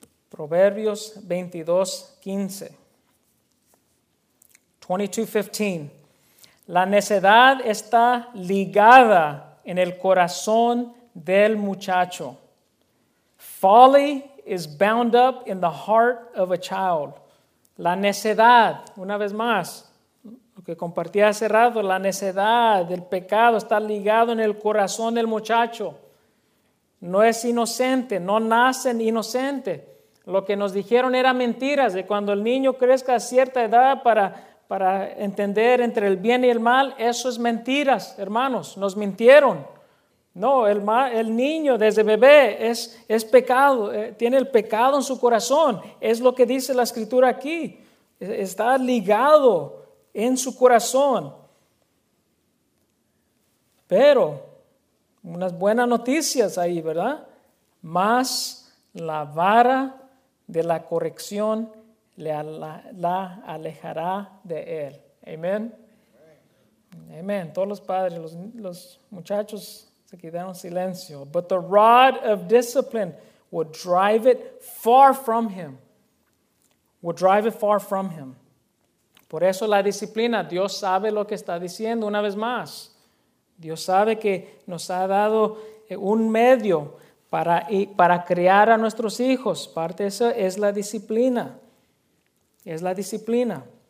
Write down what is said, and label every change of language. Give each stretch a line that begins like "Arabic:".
Spanish: Proverbios 22:15. 22:15. La necedad está ligada en el corazón del muchacho.
English: Folly is bound up in the heart of a child.
Spanish: La necedad, una vez más, lo que compartí hace rato, la necedad, el pecado está ligado en el corazón del muchacho. No es inocente, no nacen inocentes. Lo que nos dijeron era mentiras, de cuando el niño crezca a cierta edad para entender entre el bien y el mal, eso es mentiras, hermanos, nos mintieron. No, el niño desde bebé es pecado, tiene el pecado en su corazón, es lo que dice la Escritura aquí, está ligado en su corazón. Pero, unas buenas noticias ahí, ¿verdad? Más la vara de la corrección la alejará de él. Amén. Amén. Todos los padres, los muchachos se quedaron en silencio.
English: But the rod of discipline would drive it far from him. Would drive it far from him.
Spanish: Por eso la disciplina, Dios sabe lo que está diciendo una vez más. Dios sabe que nos ha dado un medio para criar a nuestros hijos. Parte de eso es la disciplina. Es la disciplina.